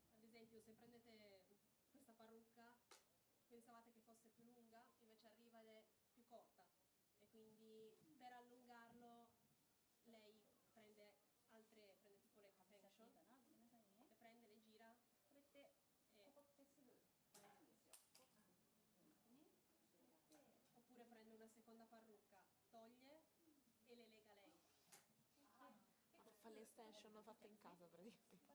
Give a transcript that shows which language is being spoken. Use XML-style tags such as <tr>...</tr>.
<it>Ad esempio, se prendete questa parrucca, pensavate che fosse più lunga, invece arriva ed è più corta. E quindi per allungarlo lei prende altre, prende tipo le extension, le prende, le gira.</it> <ja>これってここってすぐ取れるんですよ。</ja> <it>oppure prende una seconda parrucca, toglie e le lega lei. Fa le extension, l'ho fatta in casa praticamente.</it>